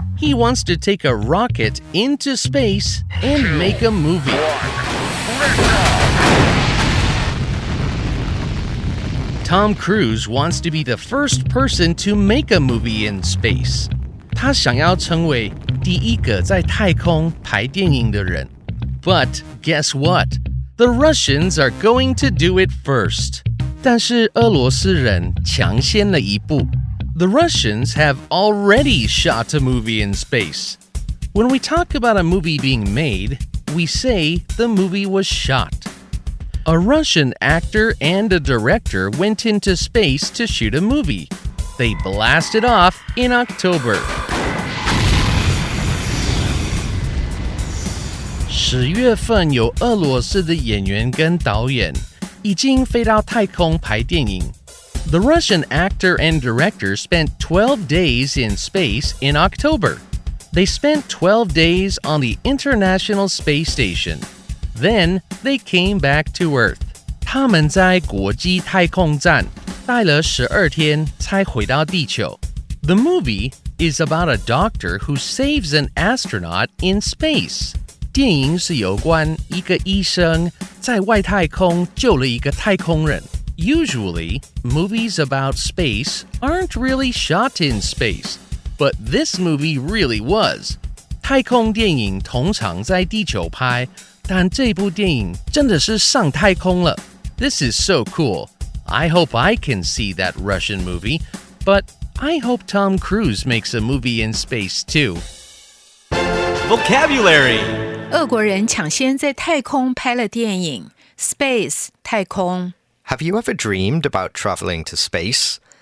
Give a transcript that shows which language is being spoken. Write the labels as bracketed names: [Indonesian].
[English] He wants to take a rocket into space and make a movie. Tom Cruise wants to be the first person to make a movie in space. [Chinese] 他想要成为第一个在太空拍电影的人。 [English] But guess what? The Russians are going to do it first. [Chinese] 但是俄罗斯人抢先了一步。 [English] The Russians have already shot a movie in space. When we talk about a movie being made, we say the movie was shot. A Russian actor and a director went into space to shoot a movie. They blasted off in October. [Chinese] 十月份有俄罗斯的演员跟导演已经飞到太空拍电影。 [English] The Russian actor and director spent 12 days in space in October. They spent 12 days on the International Space Station. Then they came back to Earth. [Chinese] 他们在国际太空站待了12天才回到地球。 [English] The movie is about a doctor who saves an astronaut in space. [Chinese] 电影是有关一个医生在外太空救了一个太空人。 [English] Usually, movies about space aren't really shot in space, but this movie really was. [Chinese] 太空电影通常在地球拍，但这部电影真的是上太空了。 [English] This is so cool. I hope I can see that Russian movie, but I hope Tom Cruise makes a movie in space too. Vocabulary. [Chinese] 俄国人抢先在太空拍了电影 Space 太空 [English] Have you ever dreamed about traveling to space?